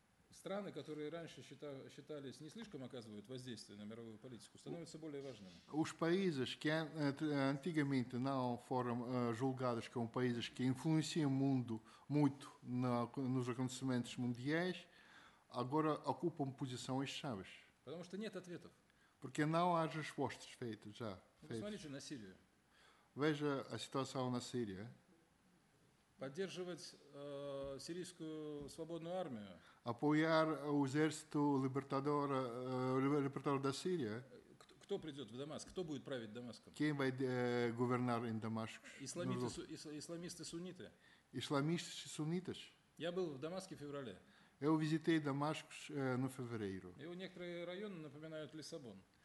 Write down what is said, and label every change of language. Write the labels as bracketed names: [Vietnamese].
[Russian] Страны, которые раньше считались не слишком оказывают воздействие на мировую политику, становятся более важными. [Portuguese] Уж países que antigamente não foram julgados como países que influenciam o mundo muito nos acontecimentos mundiais, agora ocupam posições chaves. [Russian] Потому что нет ответов. [Portuguese] Porque não há respostas feitas já. [Russian] Посмотрите на Сирию. [Portuguese] Veja a situação na Síria. [Russian] Поддерживать сирийскую свободную армию. [Portuguese] Apoiar o exército libertador, da Síria. [Russian] Кто придет в Дамаск? Кто будет править Дамаском? [Portuguese] Quem vai governar em Damasco? [Russian] Исламисты-сунниты. Исламисты-сунниты. Я был в Дамаске в феврале. [Portuguese] Eu visitei Damasco no fevereiro. [Russian] И некоторые районы напоминают Лиссабон.